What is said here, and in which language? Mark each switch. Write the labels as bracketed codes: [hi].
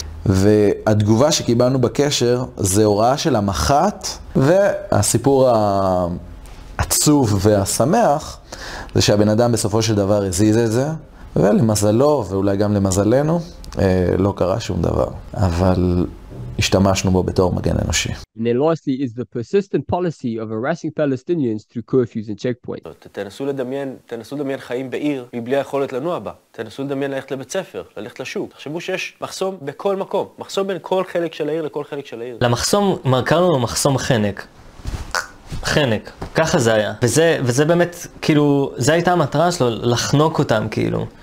[he] והתגובה שקיבלנו בקשר זה הוראה של המחת, והסיפור העצוב והשמח זה שהבן אדם בסופו של דבר הזיז את זה, ולמזלו ואולי גם למזלנו לא קרה שום דבר, אבל השתמשנו בו בתור מגן אנושי. [en] And then lastly is the persistent policy of harassing Palestinians through curfews and checkpoints. [he] תנסו לדמיין חיים בעיר מבלי היכולת לנוע בה. תנסו לדמיין ללכת לבית ספר, ללכת לשוק. תחשבו שיש מחסום בכל מקום. מחסום בין כל חלק של העיר לכל חלק של העיר. למחסום, מרקרנו לו מחסום חנק. חנק. ככה זה היה. וזה באמת, כאילו, זה הייתה המטרה שלו, לחנוק אותם, כאילו.